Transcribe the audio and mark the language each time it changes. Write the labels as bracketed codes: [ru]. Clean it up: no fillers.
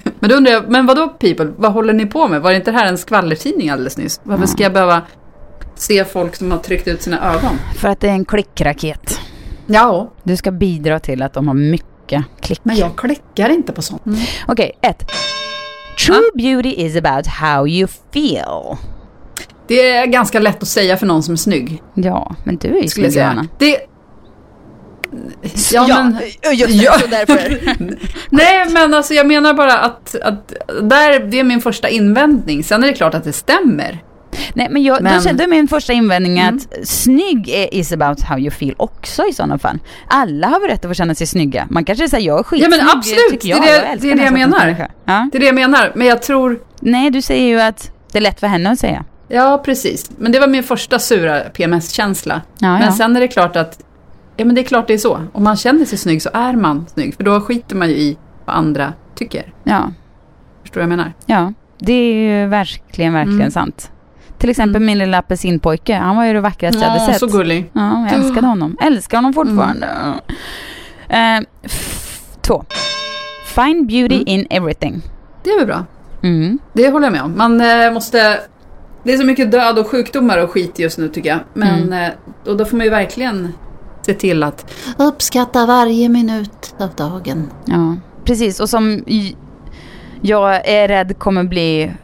[sv] Men då undrar jag, men vadå People? Vad håller ni på med? Var det inte här en skvallertidning alldeles nyss? Varför ska jag behöva se folk som har tryckt ut sina ögon? För att det är en klickraket. Ja. Du ska bidra till att de har mycket klick. Men jag klickar inte på sånt. Mm. Okej, okay, ett... [en] True beauty is about how you feel. [sv] Det är ganska lätt att säga för någon som är snygg. Ja, men du är ju snygg, Johanna. Det... Ja, så därför. Nej, men alltså, jag menar bara att där, det är min första invändning. Sen är det klart att det stämmer. Nej, men jag, men... då är min första invändning att snygg [en] is about how you feel [sv] också i sådana fall. Alla har väl rätt att få känna sig snygga. Man kanske säger jag är skitsnygg. Ja, men absolut. Det är det jag menar. Ja? Det är det jag menar. Men jag tror... Nej, du säger ju att det är lätt för henne att säga. Ja, precis. Men det var min första sura PMS-känsla. Ja, men ja. Sen är det klart att... Ja, men det är klart det är så. Om man känner sig snygg så är man snygg. För då skiter man ju i vad andra tycker. Ja. Förstår vad jag menar? Ja, det är ju verkligen, verkligen sant. Till exempel min lilla apelsinpojke. Han var ju det vackraste jag hade sett. Så gullig. Ja, jag älskade honom. Älskar honom fortfarande. Två. [en] Find beauty in everything. [sv] Det är väl bra. Mm. Det håller jag med om. Man måste... Det är så mycket död och sjukdomar och skit just nu, tycker jag. Men och då får man ju verkligen se till att uppskatta varje minut av dagen. Ja, precis. Och som jag är rädd kommer bli...